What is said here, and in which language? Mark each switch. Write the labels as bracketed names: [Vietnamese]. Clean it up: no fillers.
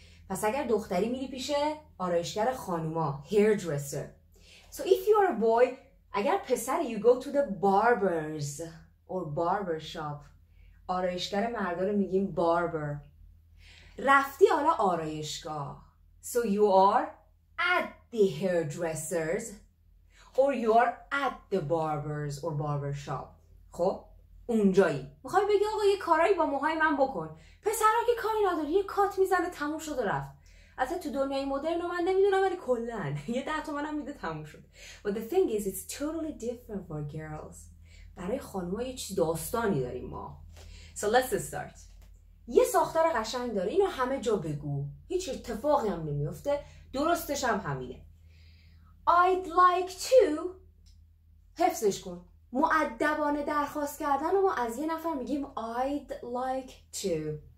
[Persian] پس اگر دختری میری پیش آرایشگر خانوما, hairdresser. [English] So if you're a boy, [Persian] اگر پسری, [English] you go to the barbers or barbershop. [Persian] آرایشگر مردا رو میگیم barber. رفتی حالا آرایشگاه. [English] So you are at the hairdressers or you are at the barbers or barbershop. [Persian] خب اونجایی. میخوای بگی آقا یه کارایی با موهای من بکن. پسرا که کاری نداره، یه کات میزنه تموم شد و رفت. البته تو دنیای مدرن من نمیدونم ولی کلاً یه 10 تومنم میده تموم شد. [English] But the thing is it's totally different for girls. [Persian] برای خانوما یه چیز داستانی داریم ما. [English] So let's start. [Persian] یه ساختار قشنگ داره، اینو همه جا بگو، هیچ اتفاقی هم نمیفته، درستش هم همینه. [English] I'd like to، [Persian] حفظش کن، مؤدبانه درخواست کردن و ما از یه نفر میگیم I'd like to.